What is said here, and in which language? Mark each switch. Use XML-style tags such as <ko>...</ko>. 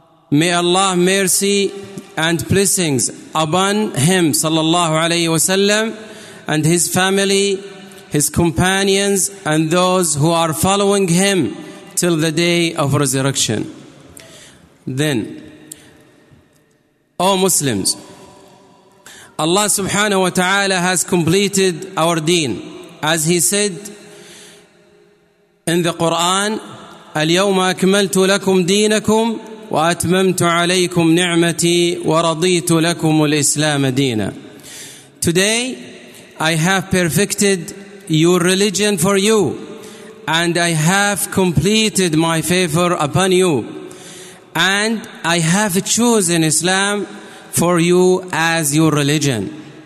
<en>May Allah mercy and blessings upon him sallallahu alayhi wa sallam and his family, his companions, and those who are following him till the day of resurrection. Then, O Muslims, Allah subhanahu wa ta'ala has completed our deen. As he said in the Quran,</en> <ar>اليوم أكملت لكم دينكم وأتممت عليكم نعمتي ورضيت لكم الإسلام دينا.</ar> <en>Today I have perfected your religion for you and I have completed my favor upon you and I have chosen Islam for you as your religion.</en>